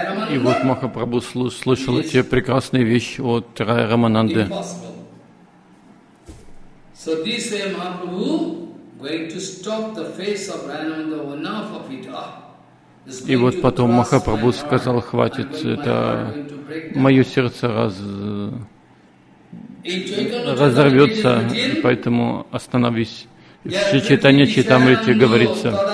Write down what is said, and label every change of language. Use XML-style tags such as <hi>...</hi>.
<ru>И вот Махапрабху слышал эти прекрасные вещи от Рай Рамананды.</ru> <en>So this way Mahaprabhu going to stop the face of Rayananda, enough of it.</en> <ru>И вот потом Махапрабху сказал, хватит, это мое сердце разорвется, поэтому остановись. В Чайтанья Чайтамрите говорится.</ru>